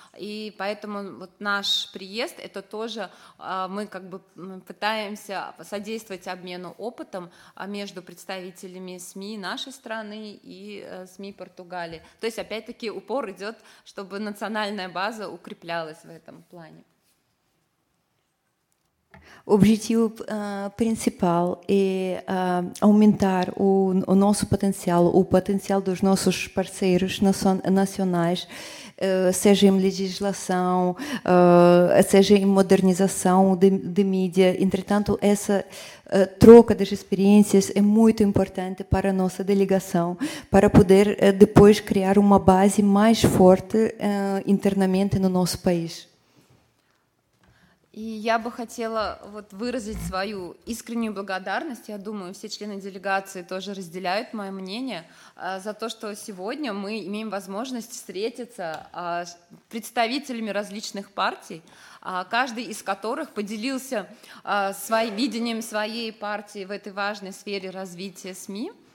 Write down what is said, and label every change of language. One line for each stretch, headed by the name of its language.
Russian: И поэтому вот наш приезд – это тоже мы как бы пытаемся содействовать обмену опытом между представителями СМИ нашей страны и СМИ Португалии. То есть, опять-таки, упор идет, чтобы национальная база укреплялась в этом плане.
Portuguese: Objetivo principal é aumentar o nosso potencial, o potencial dos nossos parceiros nacionais, seja em legislação, seja em modernização de mídia. Entretanto, essa troca das experiências é muito importante para a nossa delegação, para poder depois criar uma base mais forte internamente no nosso país.
Russian: И я бы хотела вот выразить свою искреннюю благодарность, я думаю, все члены делегации тоже разделяют мое мнение, за то, что сегодня мы имеем возможность встретиться с представителями различных партий, каждый из которых поделился своим видением своей партии в этой важной сфере развития СМИ.